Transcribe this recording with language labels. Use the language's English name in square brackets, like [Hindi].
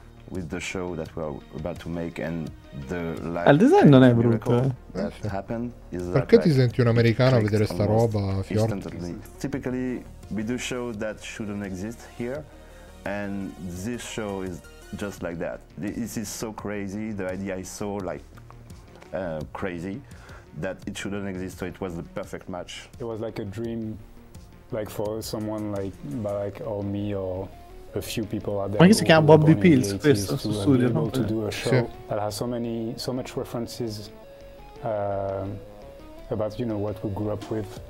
[English] With the show that we are about to make and the [Italian] live. Il design non è brutto. Perché ti senti un americano a vedere sta roba, Fiord? [English] Typically we do shows that shouldn't exist here and this show is just like that. This is so crazy, the idea is so like crazy that it shouldn't exist, so it was the perfect match. It was like a dream like for someone like Balak or me or a few people out there. [Italian] Ma che si chiama Bobby Pills questo su studio, no? [English] To do a show that has so much references about, you know, what we grew up with.